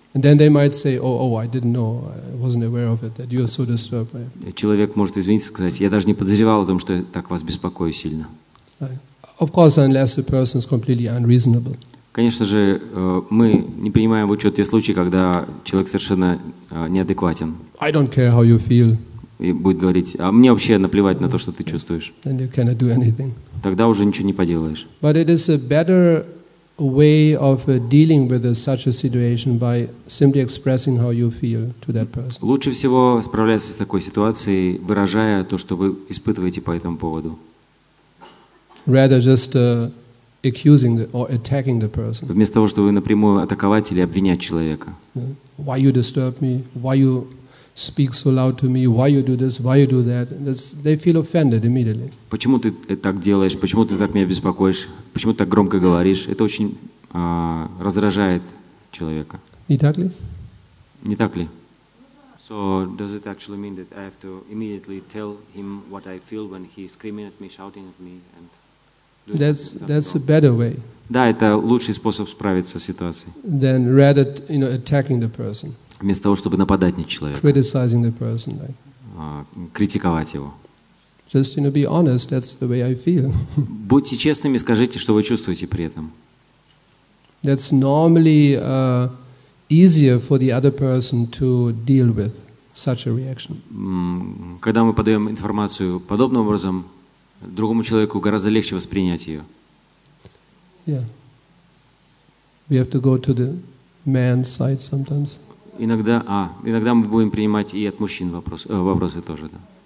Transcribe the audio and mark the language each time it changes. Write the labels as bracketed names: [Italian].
[English] And then they might say, "Oh, I didn't know. I wasn't aware of it. That you are so disturbed." [Russian] Человек может извиниться и сказать: "Я даже не подозревал о том, что так вас беспокою сильно." [English] Of course, unless the person is completely unreasonable. [Russian] Конечно же, мы не принимаем в учет те случаи, когда человек совершенно неадекватен. [English] I don't care how you feel. [Russian] И будет говорить: "А мне вообще наплевать на то, что ты чувствуешь." [English] Then you cannot do anything. [Russian] Тогда уже ничего не поделаешь. [English] But it is a better way of dealing with such a situation by simply expressing how you feel to that person. [Russian] Лучше всего справляться с такой ситуацией, выражая то, что вы испытываете по этому поводу. [English] Rather just accusing or attacking the person. [Russian] Вместо того, чтобы напрямую атаковать или обвинять человека. [English] Why you disturb me? Why you speak so loud to me? Why you do this? Why you do that? They feel offended immediately. [Russian] Почему ты так делаешь? Почему ты так меня беспокоишь? Почему ты так громко говоришь? Это очень раздражает человека. Не так ли? Не так ли? [English] So does it actually mean that I have to immediately tell him what I feel when he's screaming at me, shouting at me, and That's a better way. [Russian] Да, это лучший способ справиться с ситуацией. [English] Then rather, you know, attacking the person. [Russian] Вместо того, чтобы нападать на человека. [English] Criticizing the person. Like. [Russian] Критиковать его. [English] Just, you know, be honest. That's the way I feel. [Russian] Будьте честными, скажите, что вы чувствуете при этом. [English] That's normally easier for the other person to deal with such a reaction. [Russian] Когда мы подаем информацию подобным образом, другому человеку гораздо легче воспринять ее. [English] Yeah. We have to go to the man's side sometimes. [Russian] Иногда мы будем принимать и от мужчин вопросы тоже, да.